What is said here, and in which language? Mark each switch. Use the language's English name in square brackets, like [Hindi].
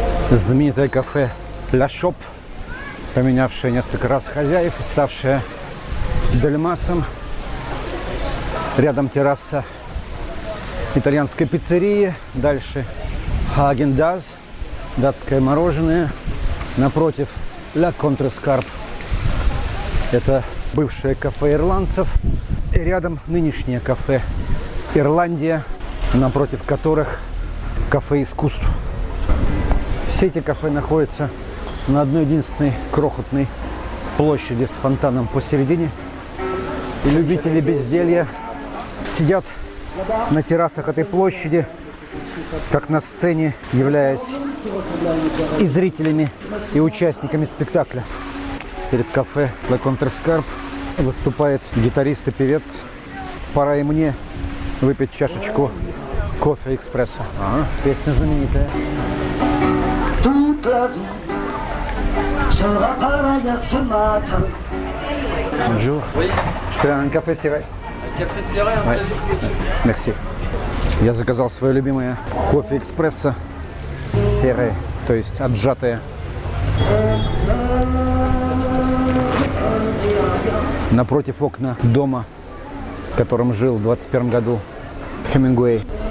[Russian] Знаменитое кафе La Shop, поменявшее несколько раз хозяев и ставшее Дельмасом. Рядом терраса итальянской пиццерии. Дальше Häagen-Dazs, датское мороженое. Напротив La Contrescarpe. Это бывшее кафе ирландцев. И рядом нынешнее кафе Ирландия, напротив которых кафе искусств. Все эти кафе находятся на одной единственной крохотной площади с фонтаном посередине. И любители безделья сидят на террасах этой площади, как на сцене, являясь и зрителями, и участниками спектакля. Перед кафе La Contrescarpe выступает гитарист и певец. Пора и мне выпить чашечку кофе экспрессо. Ага. Песня знаменитая. [French] Bonjour. Je prends un café serré. Un café serré, Merci. [Russian] Я заказал свое любимое кофе экспрессо серое, то есть отжатое. Напротив окна дома, в котором жил в 21 году Хемингуэй.